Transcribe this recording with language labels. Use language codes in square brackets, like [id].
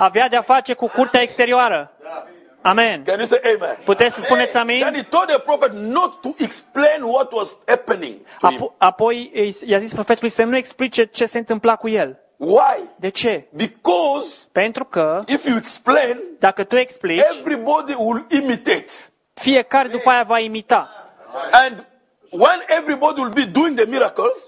[ro] Avea de-a face cu curtea exterioară. [en] Amen. Can you say amen? [ro] Puteți să spuneți amin? [en] Then he told the prophet not to explain what was happening to him. [ro] Apoi i-a zis profetului să nu explice ce se întâmpla cu el. [en] Why? [ro] De ce? [en] Because. [ro] Pentru că. [en] If you explain. [ro] Dacă tu explici. [en] Everybody will imitate. [ro] Fiecare după aia va imita. [en] And when everybody will be doing the miracles.